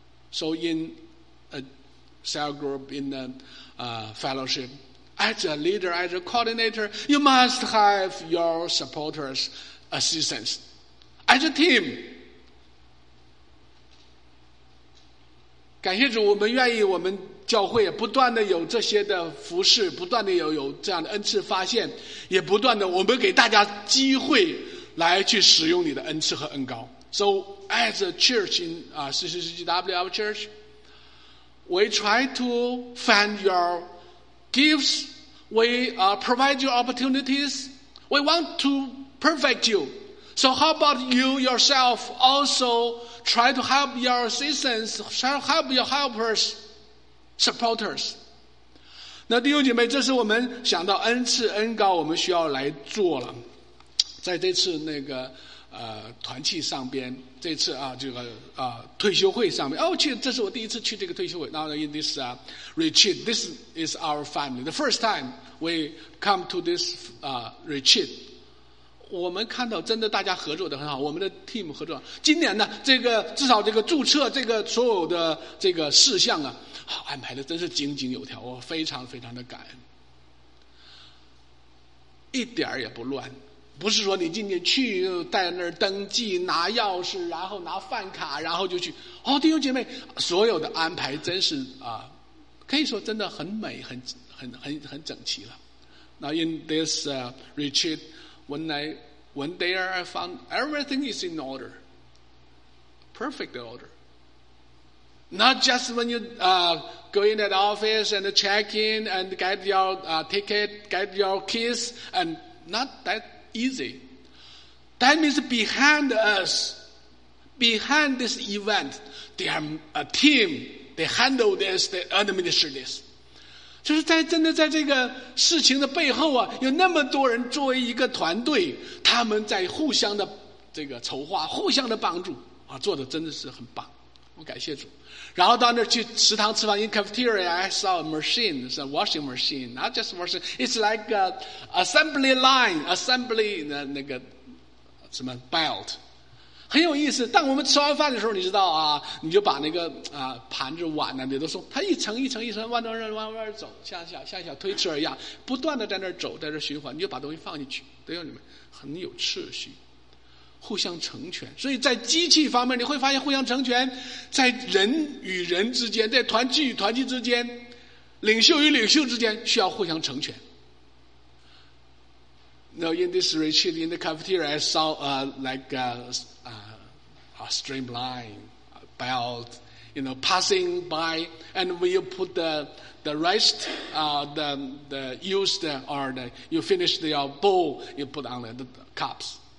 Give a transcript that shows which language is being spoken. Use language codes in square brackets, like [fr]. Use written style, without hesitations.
[en] So in a cell group in the fellowship as a leader as a coordinator you must have your supportersassistance as a team. [zh] 感谢主，我们愿意，我们教会也不断的有这些的服事，不断的有这样的恩赐发现，也不断的我们给大家机会来去使用你的恩赐和恩膏。 [en] So as a church in CCCGW church, we try to find your gifts, we provide you opportunities, we want toperfect you. So how about you yourself also try to help your assistants, try to help your helpers, supporters. [zh] 那弟兄姐妹，这是我们想到恩赐恩膏我们需要来做了。在这次那个团契上边，这次这个退休会上边，这是我第一次去这个退休会。 [en] Now in this retreat, this is our family. The first time we come to this retreat. 我们看到真的大家合作的很好，我们的 team 合作。今年呢，这个至少这个注册，这个所有的这个事项啊，安排的真是井井有条，我非常非常的感恩，一点也不乱。不是说你今天去在那儿登记拿钥匙，然后拿饭卡，然后就去。哦，弟兄姐妹，所有的安排真是可以说真的很美，很整齐了。 Now in this retreat. When there, I found everything is in order. Perfect order. Not just when you go in at office and check in and get your ticket, get your keys, and not that easy. That means behind us, behind this event, they are a team. They handle this, they administer this. [zh] 就是在真的在这个事情的背后啊，有那么多人作为一个团队，他们在互相的这个筹划，互相的帮助啊，做的真的是很棒，我感谢主。然后到那儿去食堂吃饭 [en] ，in cafeteria I saw a machine, it's a washing machine, not just washing, it's like a assembly line, assembly [zh] 的那个什么 [en] belt。 [zh] 很有意思，当我们吃完饭的时候，你知道啊，你就把那个盘子碗呢，你都送它一层一层一层，弯弯走，像小推车一样，不断的在那儿走，在这儿循环，你就把东西放进去，对吧？你们很有秩序，互相成全。所以在机器方面，你会发现互相成全，在人与人之间，在团聚与团聚之间，领袖与领袖之间，需要互相成全。 [en] Now in this retreat in the cafeteria, I saw like a streamlined belt, you know, passing by, and when you put the rest, the used or the you finish the bowl, you put on the cups.